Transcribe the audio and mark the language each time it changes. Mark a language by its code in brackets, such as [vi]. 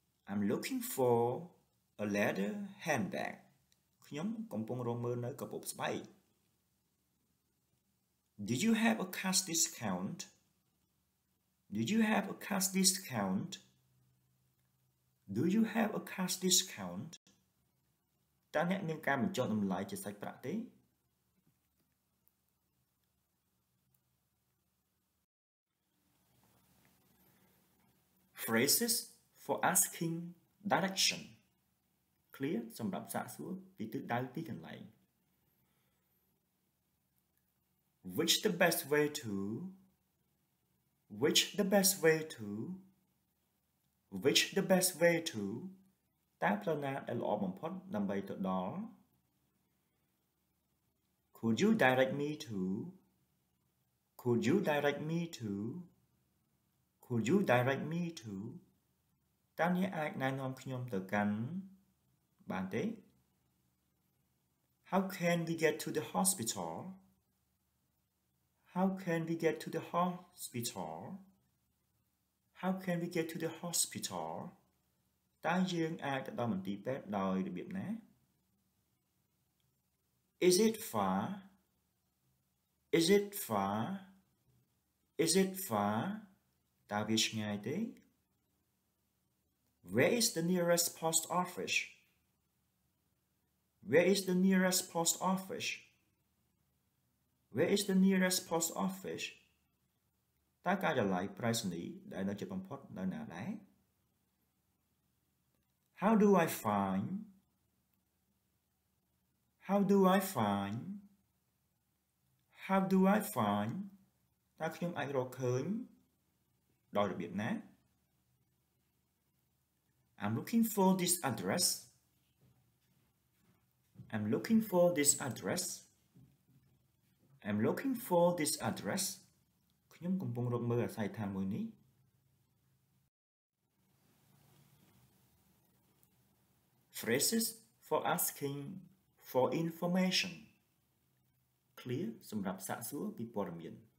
[en] I'm looking for a leather handbag. [km] ខ្ញុំកំពុងរមើលនៅកាបូបស្បែក. [en] Do you have a cash discount? Do you have a cash discount? Do you have a cash discount? [km] តើអ្នកមានការបញ្ចុះតម្លៃជាសាច់ប្រាក់ទេ? [en] Phrases. For asking direction. Clear? [km] សម្រាប់សាកសួរពីទិសដៅទីកន្លែង. [en] Which the best way to? Which the best way to? Which the best way to? [km] តើផ្លូវណាដែលល្អបំផុតដើម្បីទៅដល់? [en] Could you direct me to? Could you direct me to? Could you direct me to? [km] តើអ្នកអាចណែនាំខ្ញុំទៅកាន់បានទេ? [en] How can we get to the hospital? How can we get to the hospital? How can we get to the hospital? [km] តើយើងអាចទៅដល់មន្ទីរពេទ្យដោយរបៀបណា? [en] Is it far? Is it far? Is it far? [km] តើវាឆ្ងាយទេ? [en] Where is the nearest post office? Where is the nearest post office? Where is the nearest post office? [km] តើការិយាល័យប្រៃសណីយ៍ដែលនៅជិតបំផុតនៅណាដែរ? [en] How do I find? How do I find? How do I find? [km] តើខ្ញុំអាចរកឃើញដោយរបៀបណា? [en] I'm looking for this address. I'm looking for this address. I'm looking for this address. [km] ខ្ញុំកំពុងរកមើលអាសយដ្ឋានមួយនេះ. [en] Phrases for asking for information. [km] Clear សម្រាប់សាកសួរពីព័ត៌មាន.